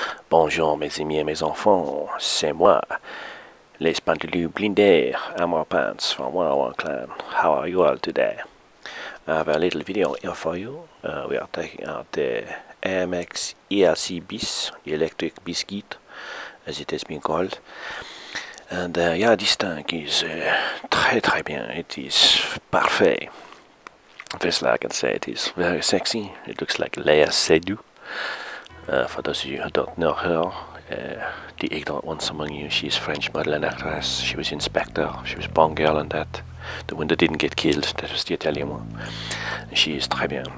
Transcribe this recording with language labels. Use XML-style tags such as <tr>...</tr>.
<fr>Bonjour mes amis et mes enfants, c'est moi, l'espandilu blindé,</fr> <en>and my pants from 101 clan. How are you all today? I have a little video here for you. We are taking out the AMX ELC bis, the electric biscuit, as it has been called. And yeah, this tank is</en> <fr>très très bien,</fr> <en>it is</en> <fr>parfait.</fr> <en>First like I can say, it is very sexy, it looks like Léa Seydoux. For those of you who don't know her, the ignorant ones among you, she's French model and actress. She was Inspector, she was Bond Girl and that. The one that didn't get killed, that was the Italian one. She is</en> <fr>très bien.</fr>